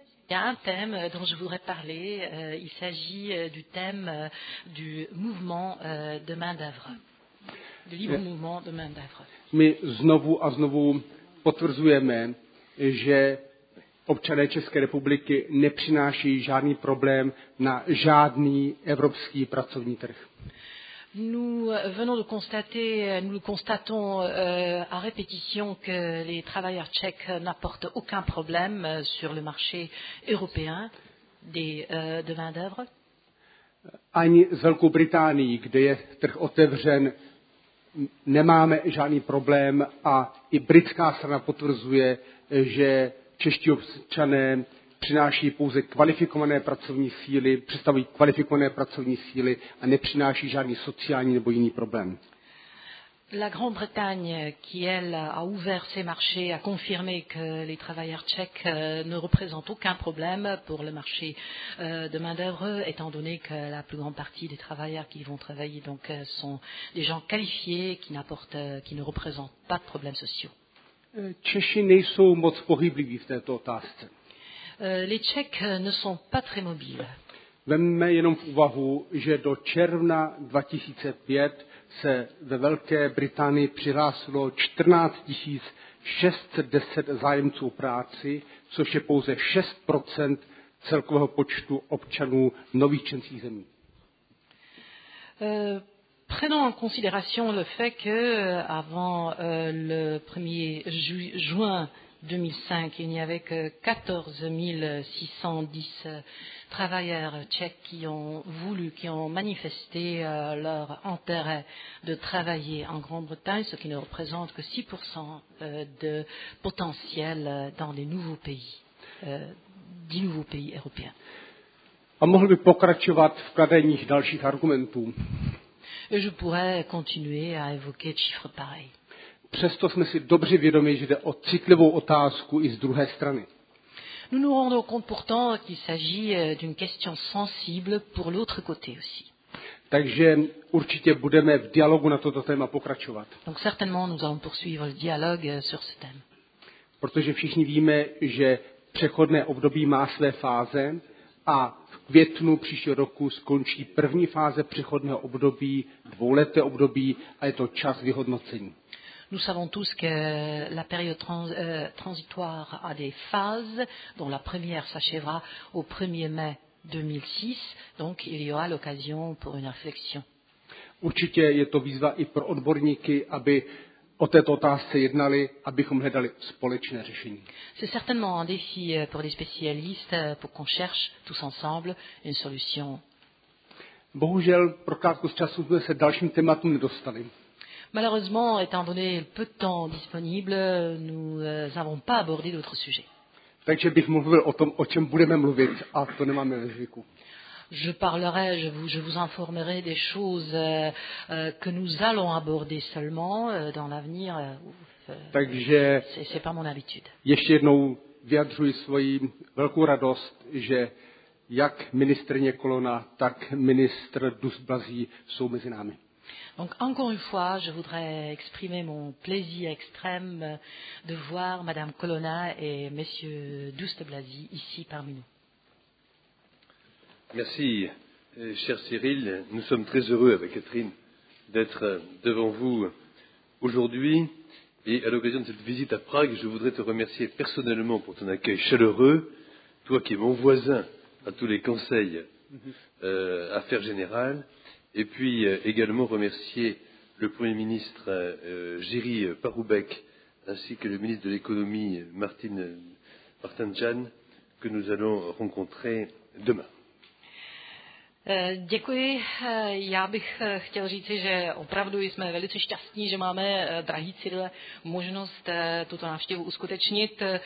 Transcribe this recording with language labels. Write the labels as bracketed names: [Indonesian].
[French] Il y a un thème dont je voudrais parler, il s'agit du thème du mouvement de main d'œuvre. Du libre mouvement de main d'œuvre. [Czech] My znovu a znovu potvrzujeme, že občané České republiky nepřináší žádný problém na žádný evropský pracovní trh. [French] Nous venons de constater, nous constatons à répétition que les travailleurs tchèques n'apportent aucun problème sur le marché européen de main-d'œuvre. [Czech] Ani z Velkou Británii, kde je trh otevřen, nemáme žádný problém a i britská strana potvrzuje, že čeští občané přináší pouze kvalifikované pracovní síly, představují kvalifikované pracovní síly a nepřináší žádný sociální nebo jiný problém. [French] La Grande-Bretagne, qui elle a ouvert ses marchés, a confirmé que les travailleurs tchèques ne représentent aucun problème pour le marché de main-d'œuvre, étant donné que la plus grande partie des travailleurs qui vont travailler donc sont des gens qualifiés qui ne représentent pas de problèmes sociaux. [Czech] Češi nejsou moc pohybliví v této otázce. [French] Les Tchèques ne sont pas très mobiles. [Czech] Vemme jenom v úvahu, že do června 2005 se ve Velké Británii přihlásilo 14 610 zájemců práci, což je pouze 6% celkového počtu občanů nových členských zemí. [French] Prenons en considération le fait que avant le 1er juin 2005, il n'y avait que 14 610 travailleurs tchèques qui ont voulu, qui ont manifesté leur intérêt de travailler en Grande-Bretagne, ce qui ne représente que 6% de potentiel dans les nouveaux pays, 10 nouveaux pays européens. [Czech] A mohl bych pokračovat v kladení dalších argumentů. [French] Je pourrais continuer à évoquer des chiffres pareils. [Czech] Přesto jsme si dobře vědomi, že jde o citlivou otázku i z druhé strany. [French] Nous nous rendons compte pourtant qu'il s'agit d'une question sensible pour l'autre côté aussi. [Czech] Takže určitě budeme v dialogu na toto téma pokračovat. [French] Donc certainement nous allons poursuivre le dialogue sur ce thème. [Czech] Protože všichni víme, že přechodné období má své fáze a v květnu příštího roku skončí první fáze přechodného období, dvouleté období a je to čas vyhodnocení. [French] Nous savons tous que la période transitoire a des phases, dont la première s'achèvera au 1er mai 2006, donc il y aura l'occasion pour une réflexion. [Czech] Určitě je to výzva i pro odborníky, aby o této otázce jednali, abychom hledali společné řešení. [French] C'est certainement un défi pour les spécialistes, pour qu'on cherche tous ensemble une solution. [Czech] Bohužel, pro krátkost času jsme se dalším tématům nedostali. [French] Malheureusement, étant donné le peu de temps disponible, nous n'avons pas abordé d'autres sujets. [Czech] Takže bych mluvil o tom, o čem budeme mluvit, a to nemáme ve zvyku. [French] Je vous informerai des choses que nous allons aborder seulement dans l'avenir. [Czech] Takže [French] c'est pas mon habitude. [Czech] Ještě jednou vyjadřuji svoji velkou radost, že jak ministrně Kolona, tak ministr Dusblazí jsou mezi námi. [French] Donc encore une fois, je voudrais exprimer mon plaisir extrême de voir Madame Colonna et Monsieur Douste-Blazy ici parmi nous. Merci, cher Cyril. Nous sommes très heureux avec Catherine d'être devant vous aujourd'hui. Et à l'occasion de cette visite à Prague, je voudrais te remercier personnellement pour ton accueil chaleureux, toi qui es mon voisin à tous les conseils affaires générales. Et puis également remercier le Premier ministre Géry Paroubek ainsi que le ministre de l'économie Martin Jan que nous allons rencontrer demain. [Czech] Děkuji. Já bych chtěl říci, že opravdu jsme velice šťastní, že máme, drahý Cyrile, možnost tuto návštěvu uskutečnit.